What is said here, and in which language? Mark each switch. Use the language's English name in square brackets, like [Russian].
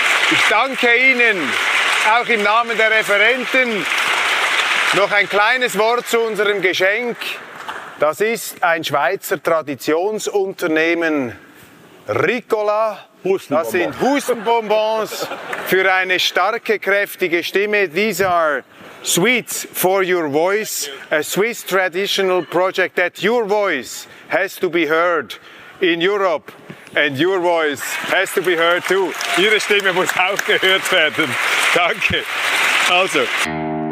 [German] Ich danke Ihnen, auch im Namen der Referenten, noch ein kleines Wort zu unserem Geschenk. Das ist ein Schweizer Traditionsunternehmen, Ricola. Hustenbonbons. Das sind Hustenbonbons für eine starke, kräftige Stimme. [English] These are sweets for your voice, a Swiss traditional project that your voice has to be heard in Europe. And your voice has to be heard too. [German] Ihre Stimme muss auch gehört werden. Danke. Also.